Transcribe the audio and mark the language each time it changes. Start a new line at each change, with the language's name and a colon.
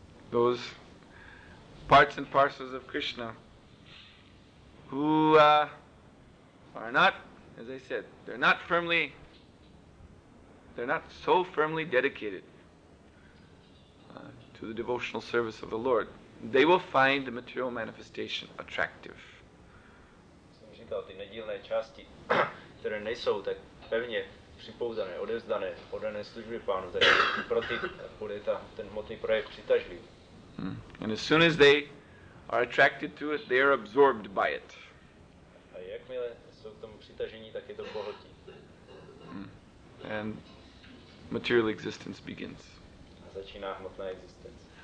English: Those parts and parcels of Krishna who are not, as I said, they're not firmly they're not so firmly dedicated to the devotional service of the Lord, they will find the material manifestation attractive.
Czech: Jsem říkal, ty nedílné části, které nejsou tak pevně připouzané, odevzdané, oddané služby Pánu, tak pro ty bude ten hmotný projekt přitažlivý.
English: And as soon as they are attracted to it, they are absorbed by it.
Czech: A jakmile jsou k tomu přitažení, tak je to pohltí.
English: And material existence begins.
Czech: A začíná hmotná existence.